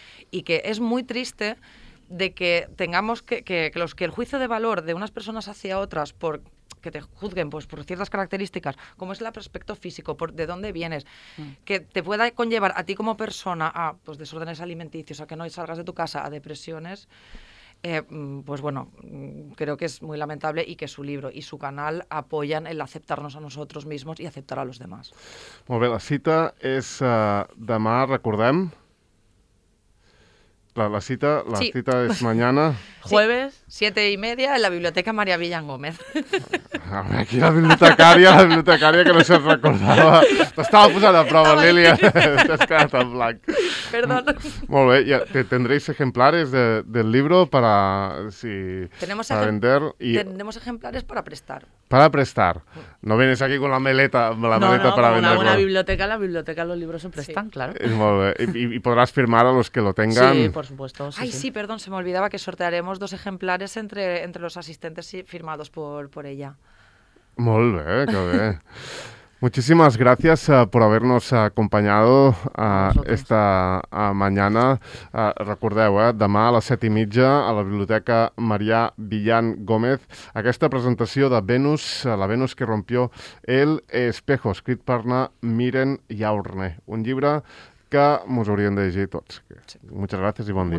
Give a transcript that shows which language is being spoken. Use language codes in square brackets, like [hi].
[es] Y que es muy triste de que tengamos que el juicio de valor de unas personas hacia otras por que te juzguen pues por ciertas características, como es el aspecto físico, por de dónde vienes, que te pueda conllevar a ti como persona a pues desórdenes alimenticios, a que no salgas de tu casa, a depresiones, pues bueno, creo que es muy lamentable y que su libro y su canal apoyan el aceptarnos a nosotros mismos y aceptar a los demás. [ca] Molt bé, la cita és demà, recordem. [es] La cita es mañana. Jueves, 7:30, en la biblioteca María Villán Gómez. [ca] Aquí la bibliotecària que no se'n recordava. T'estava posant a prova, Lilia. T'has quedat en blanc. [es] Perdón. [ca] Molt bé, ja, [es] tendréis ejemplares del libro para, sí, para vender. Tenemos ejemplares para prestar. Para prestar. No vienes aquí con la maleta para vender. No, una buena biblioteca, la biblioteca los libros se prestan, sí. Claro. [ca] Molt bé. I podràs firmar [es] a los que lo tengan. Sí, por supuesto. Sí, ay, sí, perdón, se me olvidaba que sortearemos dos ejemplares entre los asistentes firmados por ella. [ca] Molt bé, que bé. [es] Muchísimas gracias por habernos acompañado esta mañana. [ca] Recordeu, demà a les 7:30 a la Biblioteca Marià Villán Gómez, aquesta presentació de Venus, la Venus que rompió el espejo, escrit per na Miren Jaurne, un llibre que mos hauríem de llegir tots. Sí. [es] Muchas gracias [ca] y bon dia.